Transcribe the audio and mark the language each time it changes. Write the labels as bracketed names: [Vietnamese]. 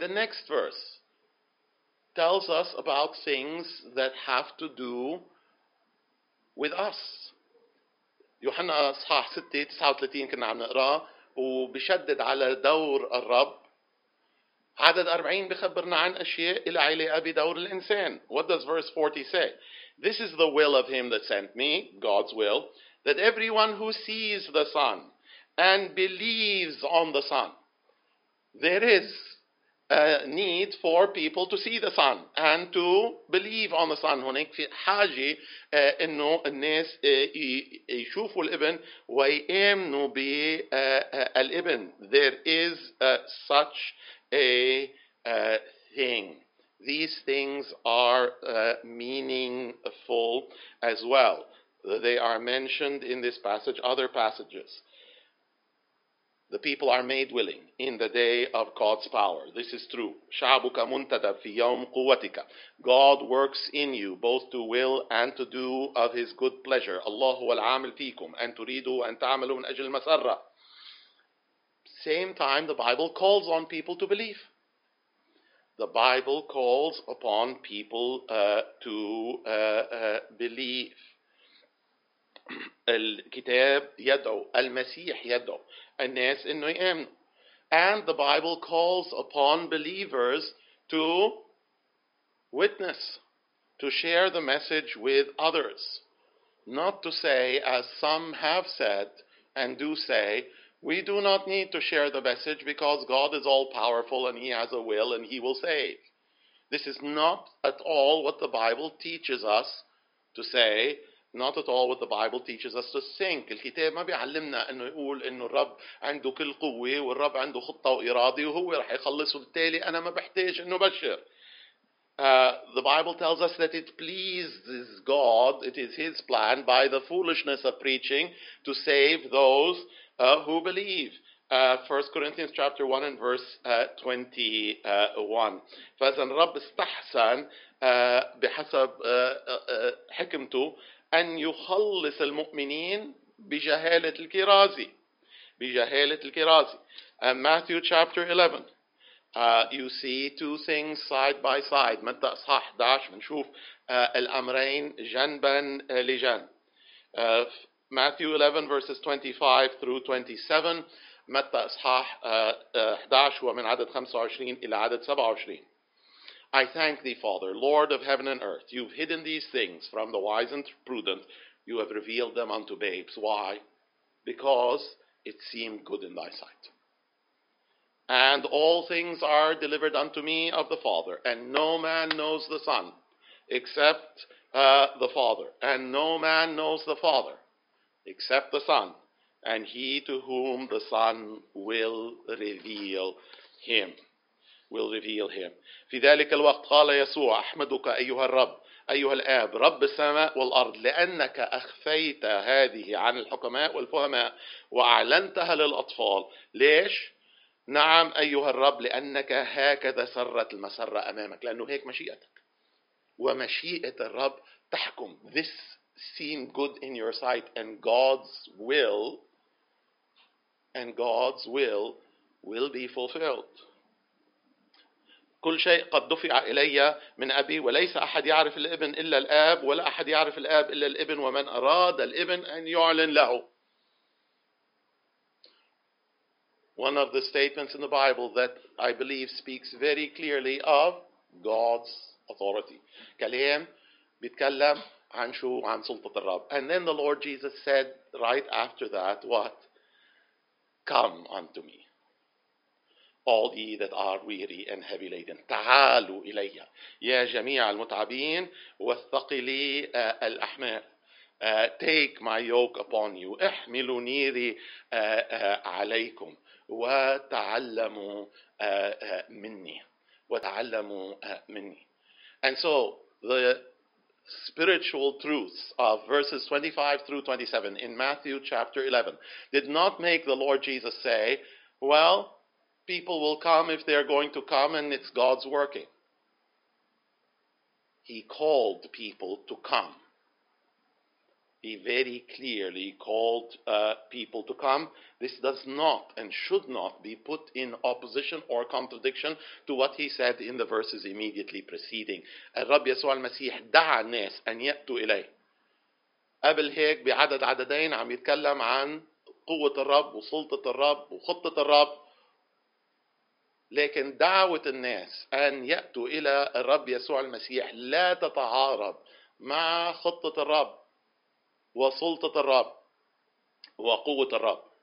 [English] The next verse tells us about things that have to do with us. [Arabic] يوحنا اصحاح 6:39 كنا عم نقرا وبشدد على دور الرب. عدد 40 بخبرنا عن اشياء لها علاقه بدور الانسان. [English] What does verse 40 say? This is the will of him that sent me, God's will, that everyone who sees the Son and believes on the Son. There is a need for people to see the Son and to believe on the Son. [Arabic] هناك في حاجة إنه الناس يشوفوا الابن ويؤمنوا بالابن. [English] There is such a thing. These things are meaningful as well. They are mentioned in this passage, other passages. The people are made willing in the day of God's power. This is true. [Arabic] شعبك منتدب في يوم قوتك. [English] God works in you both to will and to do of His good pleasure. [Arabic] الله هو العامل فيكم أن تريدوا أن تعملوا من أجل المسرة. [English] Same time, the Bible calls on people to believe. The Bible calls upon people to believe. [Arabic] الكتاب يدعو، المسيح يدعو الناس إنه يؤمنوا. [English] And the Bible calls upon believers to witness, to share the message with others. Not to say, as some have said and do say, we do not need to share the message because God is all powerful and He has a will and He will save. This is not at all what the Bible teaches us to say. Not at all what the Bible teaches us to think. [Arabic] الكتاب ما بيعلمنا انه يقول انه الرب عنده كل قوة والرب عنده خطة وإرادة وهو رح يخلص وبالتالي انا ما بحتاج انه بشر. [English] The Bible tells us that it pleases God, it is His plan by the foolishness of preaching to save those who believe. 1 Corinthians chapter 1 and verse 21. [Arabic] فإذا الرب استحسن بحسب حكمته أن يخلص المؤمنين بجهالة الكرازي. بجهالة الكرازي. [English] Matthew chapter 11. You see two things side by side. [Arabic] متى أصحاح 11 منشوف الأمرين جنبا لجنب. [English] Matthew 11 verses 25 through 27. [Arabic] متى أصحاح 11 ومن عدد 25 إلى عدد 27. [English] I thank thee, Father, Lord of heaven and earth. You've hidden these things from the wise and prudent. You have revealed them unto babes. Why? Because it seemed good in thy sight. And all things are delivered unto me of the Father. And no man knows the Son except the Father. And no man knows the Father except the Son. And he to whom the Son will reveal him. Will reveal him. [Arabic] في ذلك الوقت قال يسوع أحمدك أيها الرب أيها الآب رب السماء والأرض لأنك أخفيت هذه عن الحكماء والفهماء وأعلنتها للأطفال. ليش؟ نعم أيها الرب، لأنك هكذا سرت المسرة أمامك، لأنه هيك مشيئتك ومشيئة الرب تحكم. [English] This seemed good in your sight and God's will and God's will be fulfilled. [Arabic] كل شيء قد دفع إلي من أبي، وليس أحد يعرف الإبن إلا الآب، ولا أحد يعرف الآب إلا الإبن، ومن أراد الإبن أن يعلن له. [English] One of the statements in the Bible that I believe speaks very clearly of God's authority. [Arabic] كلام بيتكلم عن شو؟ عن سلطة الرب. [English] And then the Lord Jesus said right after that, what? Come unto me, all ye that are weary and heavy laden. [Arabic] تعالوا إلي يا جميع المتعبين والثقلي الأحمال. [English] Take my yoke upon you. [Arabic] احملوا نيري عليكم. وتعلموا مني وتعلموا مني. [English] And so the spiritual truths of verses 25 through 27 in Matthew chapter 11 did not make the Lord Jesus say, well, people will come if they are going to come and it's God's working. He called people to come. He very clearly called people to come. This does not and should not be put in opposition or contradiction to what he said in the verses immediately preceding. [Arabic] الرب يسوع المسيح دعا الناس أن يأتوا إليه. قبل هيك بعدد عددين عم يتكلم عن قوة الرب وسلطة الرب وخطة الرب. لكن دعوة الناس أن يأتوا إلى الرب يسوع المسيح لا تتعارض مع خطة الرب وسلطة الرب وقوة الرب.